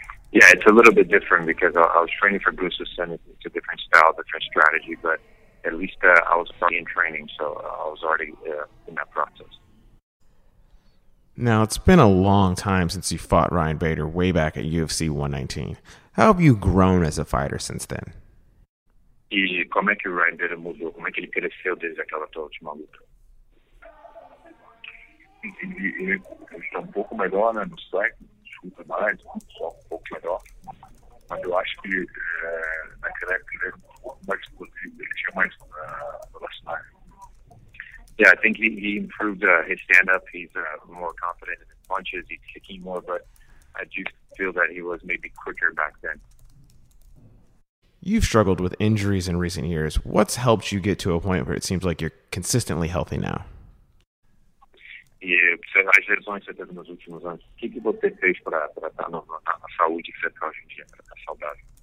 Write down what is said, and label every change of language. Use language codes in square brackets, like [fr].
[en] Yeah, it's a little bit different because I was training for Gustafsson. It's a different style, different strategy, but at least I was already in training, so I was already in that process. Now, it's been a long time since you fought Ryan Bader way back at UFC 119. How have you grown as a fighter since then? [pt] E como é que o Ryan Bader mudou? Como é que ele cresceu desde aquela tua última luta? Ele está um pouco melhor, né, no strike, desculpa mais, só um pouco melhor, mas eu acho que naquela época ele era um pouco mais explosivo, ele tinha mais velocidade. [en] Yeah, I think he improved his stand-up, he's more confident in his punches, he's kicking more, but I do feel that he was maybe quicker back then. You've struggled with injuries in recent years. What's helped you get to a point where it seems like you're consistently healthy now? [pt] E as lesões que você teve nos últimos anos, o que você fez para estar na saúde que você está hoje em dia, para estar saudável?